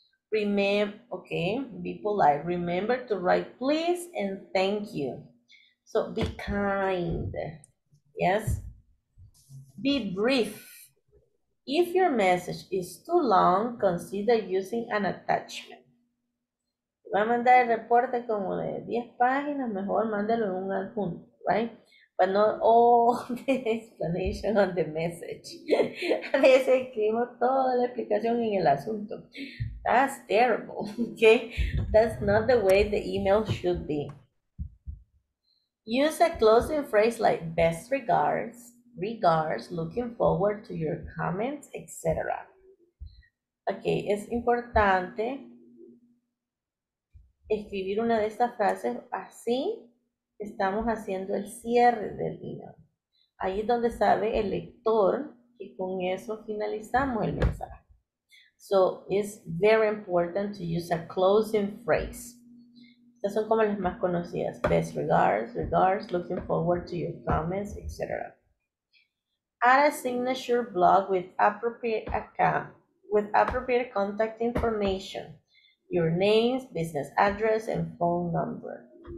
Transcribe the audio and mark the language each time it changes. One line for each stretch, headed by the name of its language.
English: Remember, okay, be polite. Remember to write please and thank you. So be kind, yes? Be brief. If your message is too long, consider using an attachment.
Spanish: Va a mandar el reporte como de 10 páginas, mejor mándelo en un adjunto,
English: right? But not all the explanation on the message.
Spanish: A veces escribimos toda la explicación en el asunto.
English: That's terrible, okay? That's not the way the email should be. Use a closing phrase like best regards, regards, looking forward to your comments, etc.
Spanish: Okay, es importante escribir una de estas frases así. Estamos haciendo el cierre del email. Ahí es donde sabe el lector que con eso finalizamos el mensaje.
English: So, it's very important to use a closing phrase.
Spanish: Estas son como las más conocidas.
English: Best regards, regards, looking forward to your comments, etc. Add a signature blog with appropriate account, with appropriate contact information, your names, business address, and phone number.